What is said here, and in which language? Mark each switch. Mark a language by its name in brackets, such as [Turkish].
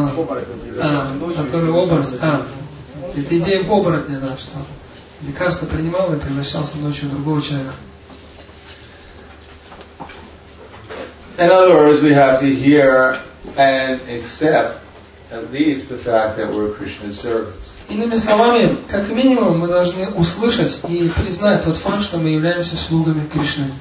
[Russian] который образ, это идея оборотня, да, что лекарство принимал и превращался ночью в другого человека. [English] In other words, we have to hear and accept at least the fact that we're Krishna's servants. [Russian] Иными словами, как минимум, мы должны услышать и признать тот факт, что мы являемся слугами Кришны.